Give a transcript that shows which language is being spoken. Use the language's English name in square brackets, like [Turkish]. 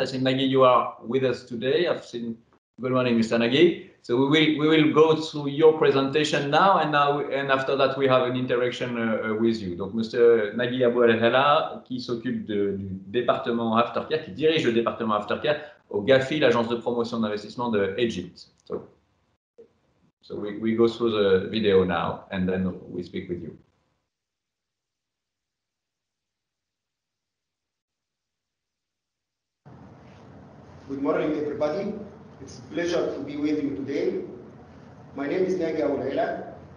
[English] I think, Nagi, you are with us today. I've seen. Good morning, Mr. Nagi. So we will go through your presentation now and after that we have an interaction with you. [French] Donc, Mr. Nagi Abou El Hela, qui s'occupe du département aftercare, qui dirige le département aftercare au GAFI, l'agence de promotion d'investissement de Egypt. [English] So we go through the video now and then we speak with you. Good morning, everybody. It's a pleasure to be with you today. My name is Nagi Abou El Hela.